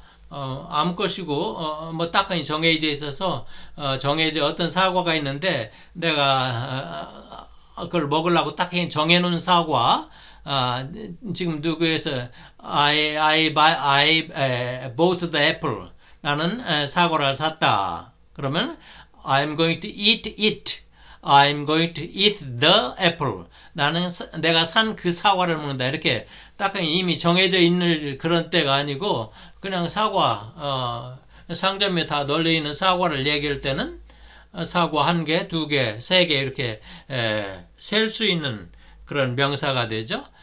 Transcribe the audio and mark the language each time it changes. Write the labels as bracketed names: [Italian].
[Korean] 아무 것이고 뭐 딱히 정해져 있어서 정해져 어떤 사과가 있는데 내가 그걸 먹으려고 딱 정해놓은 사과 지금 누구에서 [English] I bought the apple. [Korean] 나는 사과를 샀다. [English] 그러면 I'm going to eat it. I'm going to eat the apple. [Korean] 나는 내가 산 그 사과를 먹는다. 이렇게 딱 이미 정해져 있는 그런 때가 아니고 그냥 사과 상점에 다 널려있는 사과를 얘기할 때는 사과 한 개, 두 개, 세 개 이렇게 셀 수 있는 그런 명사가 되죠.